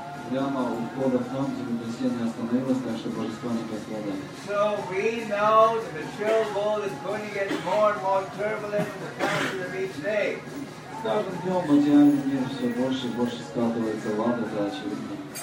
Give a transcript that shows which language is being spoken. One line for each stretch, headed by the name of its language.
Russian: Прямо у входа в храм землетрясение остановилось, так что божества не пострадали.
English: So we know that the material world is going to get more and more turbulent in the past of each day.
Russian: С каждым днем материальный мир все больше и больше скатывается в ад, это очевидно.